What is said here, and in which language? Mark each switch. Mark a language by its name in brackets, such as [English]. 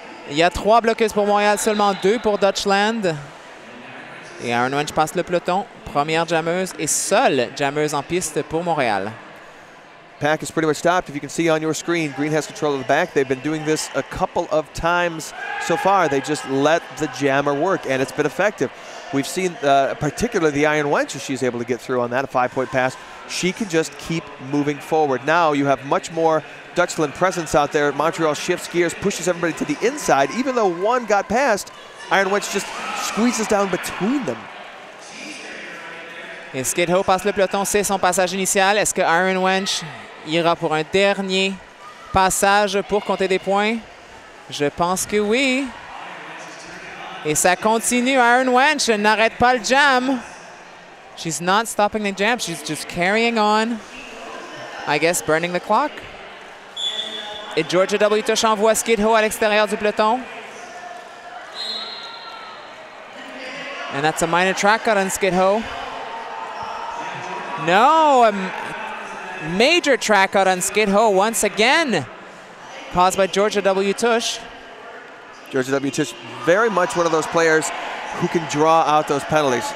[French] Il y a trois bloqueuses pour Montréal, seulement deux pour Dutchland. Et Iron Wench passe le peloton. Première jammeuse et seule jammeuse en piste pour Montréal. [English] Pack is pretty much stopped. If you can see on your screen, Green has control of the back. They've been doing this a couple of times so far. They just let the jammer work, and it's been effective. We've seen particularly the Iron Wench, as she's able to get through on that, a five-point pass. She can just keep moving forward. Now you have much more Dutchland presence out there. Montreal shifts gears, pushes everybody to the inside. Even though one got past, Iron Wench just squeezes down between them. [French] Et Skid Ho passe le peloton, c'est son passage initial. Est-ce que Iron Wench ira pour un dernier passage pour compter des points? Je pense que oui. Et ça continue. Iron Wench n'arrête pas le jam. [English] She's not stopping the jam. She's just carrying on. I guess burning the clock. Et Georgia W. [French] Tush envoie Skid Ho à l'extérieur du peloton. [English] And that's a minor track cut on Skid Ho. No, a major track out on Skid Ho once again, caused by Georgia W. Tush. Georgia W. Tush, very much one of those players who can draw out those penalties.